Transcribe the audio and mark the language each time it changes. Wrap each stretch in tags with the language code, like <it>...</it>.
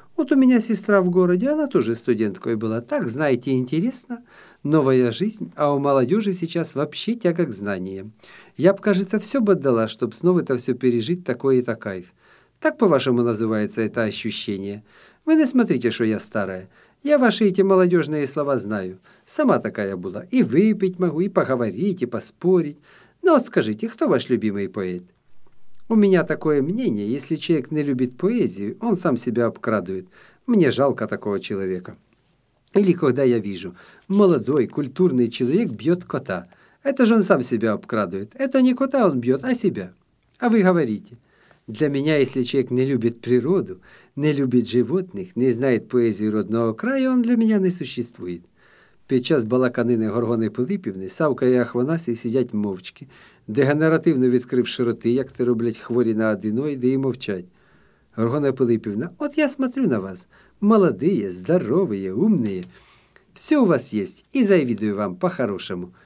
<uk>От у мене сестра в городі, вона теж студенткою була. Так, знаєте, інтересно.</uk> <ru>Новая жизнь, а у молодежи сейчас вообще тяга к знаниям. Я б, кажется, все б отдала,</ru> <uk>щоб знову</uk> <ru>это все пережить, такое та кайф. Так, по-вашему, называется это ощущение. Вы не смотрите, что я старая. Я ваши эти молодежные слова знаю. Сама такая была. И выпить могу, и поговорить, и поспорить. Но вот скажите, кто ваш любимый поэт? У меня такое мнение, если человек не любит поэзию, он сам себя обкрадывает. Мне жалко такого человека. Или когда я вижу, молодой, культурный человек бьет кота. Это же он сам себя обкрадывает. Это не кота он бьет, а себя. А вы говорите. Для меня, если человек не любит природу, не любит животных, не знает поэзии родного края, он для меня не существует.</ru> <uk>Під час балаканини Горгони Пилипівни Савка і Ахванасій сидять мовчки, дегенеративно відкривши роти, як те роблять хворі на аденоїди, і мовчать.</uk> <ru>Горгона Пилипівна, от я смотрю на вас. Молодые, здоровые, умные. Все у вас есть, и завидую вам по-хорошему.</ru>